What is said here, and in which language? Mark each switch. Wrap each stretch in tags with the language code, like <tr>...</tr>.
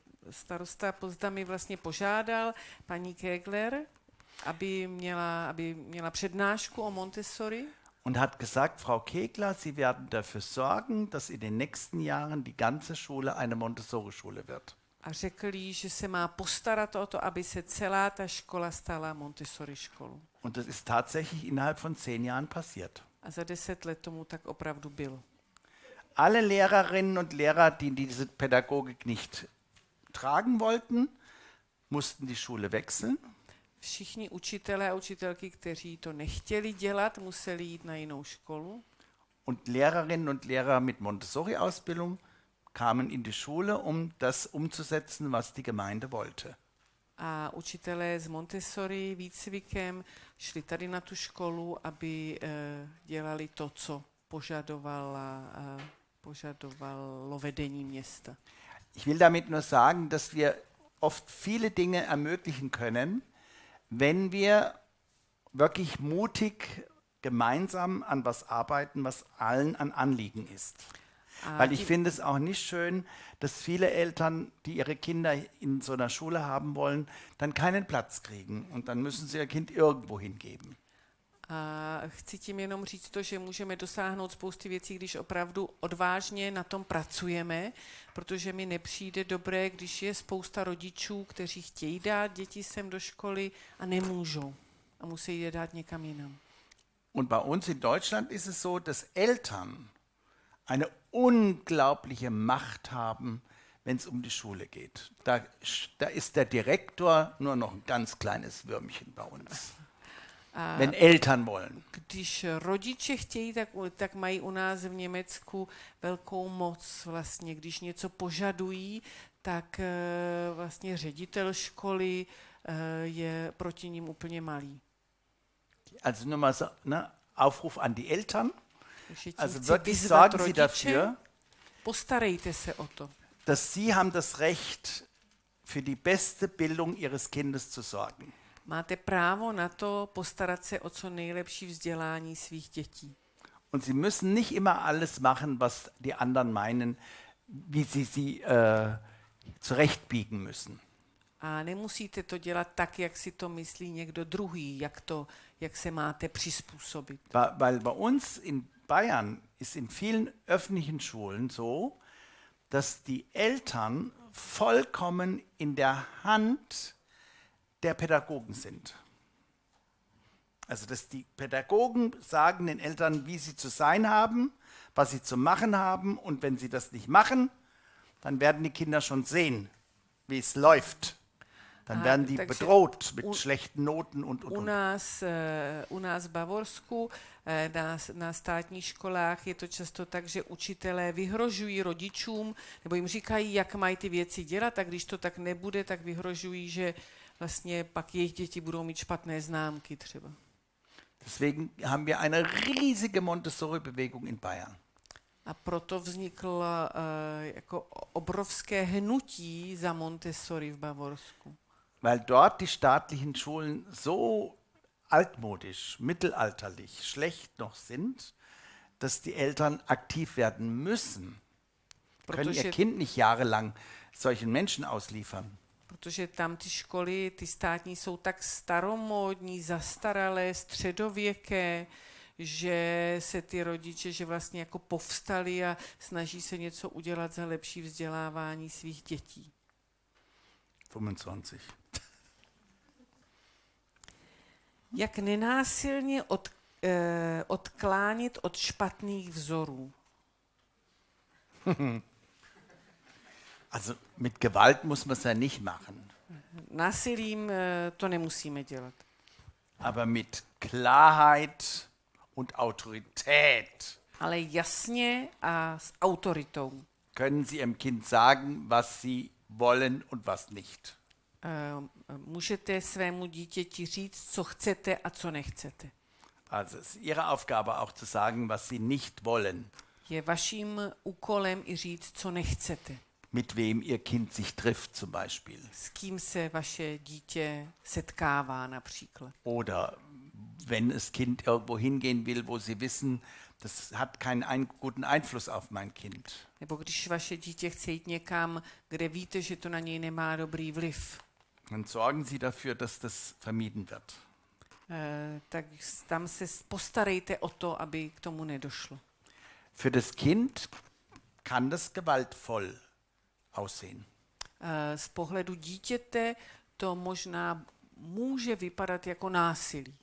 <cs>Starosta Potsdamy vlastně požádal paní Kegler, aby měla přednášku o Montessori.</cs> <de>Und hat gesagt, Frau Kegler, Sie werden dafür sorgen, dass in den nächsten Jahren die ganze Schule eine Montessori-Schule wird.</de> <cs>A řekl jí, že se má postarat o to, aby se celá ta škola stala Montessori školou.</cs> <de>Und das ist tatsächlich innerhalb von 10 Jahren passiert.</de> <cs>A za 10 let tomu tak opravdu bylo.</cs> <de>Alle Lehrerinnen und Lehrer, die diese Pädagogik nicht tragen wollten, mussten die Schule wechseln.</de> <cs>Všichni učitelé a učitelky, kteří to nechtěli dělat, museli jít na jinou školu.</cs> <de>Und Lehrerinnen und Lehrer mit Montessori-Ausbildung kamen in die Schule, um das umzusetzen, was die Gemeinde wollte.</de> <cs>A učitelé s Montessori výcvikem šli tady na tu školu, aby dělali to, co požadovalo vedení města.</cs> <de>Ich will damit nur sagen, dass wir oft viele Dinge ermöglichen können, wenn wir wirklich mutig gemeinsam an was arbeiten, was allen an Anliegen ist. Weil ich finde es auch nicht schön, dass viele Eltern, die ihre Kinder in so einer Schule haben wollen, dann keinen Platz kriegen und dann müssen sie ihr Kind irgendwo hingeben.</de> <cs>A chci tím jenom říct to, že můžeme dosáhnout spousty věcí, když opravdu odvážně na tom pracujeme, protože mi nepřijde dobré, když je spousta rodičů, kteří chtějí dát děti sem do školy a nemůžou a musí je dát někam jinam.</cs> <de>Und bei uns in Deutschland ist es so, dass Eltern eine unglaubliche Macht haben, wenn es um die Schule geht. Da ist der Direktor nur noch ein ganz kleines Würmchen bei uns. Wenn Eltern wollen.</de> <cs>Když rodiče chtějí, tak mají u nás v Německu velkou moc vlastně, když něco požadují, tak vlastně ředitel školy je proti ním úplně malý.</cs> <de>Also nur mal so, ne, Aufruf an die Eltern. Also wirklich sorgen Sie dafür.</de> <cs>Postarejte se o to.</cs> <de>Dass Sie haben das Recht für die beste Bildung Ihres Kindes zu sorgen.</de> <cs>Máte právo na to postarat se o co nejlepší vzdělání svých dětí.</cs> <de>Und Sie müssen nicht immer alles machen, was die anderen meinen, wie sie sie zurechtbiegen müssen.</de> <cs>A nemusíte to dělat tak, jak si to myslí někdo druhý, jak se máte přizpůsobit.</cs> <de>Weil bei uns in Bayern ist in vielen öffentlichen Schulen so, dass die Eltern vollkommen in der Hand der Pädagogen sind. Also, dass die Pädagogen sagen den Eltern, wie sie zu sein haben, was sie zu machen haben, und wenn sie das nicht machen, dann werden die Kinder schon sehen, wie es läuft. Dann werden die bedroht mit schlechten Noten und.</de> <cs>U nás v Bavorsku, na státních školách je to často tak, že učitelé vyhrožují rodičům, nebo jim říkají, jak mají ty věci dělat, a když to tak nebude, tak vyhrožují, že vlastně pak jejich děti budou mít špatné známky třeba.</cs> <de>Deswegen haben wir eine riesige Montessori-Bewegung in Bayern.</de> <cs>A proto vzniklo jako obrovské hnutí za Montessori v Bavorsku.</cs> <de>Weil dort die staatlichen Schulen so altmodisch, mittelalterlich, schlecht noch sind, dass die Eltern aktiv werden müssen. Können ihr Kind nicht jahrelang solchen Menschen ausliefern.</de> <cs>Protože tam ty školy, ty státní, jsou tak staromódní, zastaralé, středověké, že se ty rodiče, že vlastně jako povstali a snaží se něco udělat za lepší vzdělávání svých dětí. 25. Jak nenásilně odklánit od špatných vzorů?</cs> <de>Also mit Gewalt muss man es ja nicht machen.</de> <cs>Násilím to nemusíme dělat.</cs> <de>Aber mit Klarheit und Autorität.</de> <cs>Ale jasně a s autoritou.</cs> <de>Können Sie Ihrem Kind sagen, was Sie wollen und was nicht?</de> <cs>Můžete svému dítěti říct, co chcete a co nechcete.</cs> <de>Also es ist Ihre Aufgabe auch zu sagen, was Sie nicht wollen.</de> <cs>Je vaším úkolem i říct, co nechcete.</cs> <de>Mit wem ihr Kind sich trifft zum Beispiel.</de> <cs>S kým se vaše dítě setkává například.</cs> <de>Oder wenn das Kind irgendwo hingehen will, wo sie wissen, das hat keinen guten Einfluss auf mein Kind.</de> <cs>Nebo když vaše dítě chce jít někam, kde víte, že to na něj nemá dobrý vliv.</cs> <de>Dann sorgen Sie dafür, dass das vermieden wird.</de> <cs>Tak tam se postarejte o to, aby k tomu nedošlo.</cs> <de>Für das Kind kann das gewaltvoll aussehen.</de> <cs>Z pohledu dítěte to možná může vypadat jako násilí.</cs>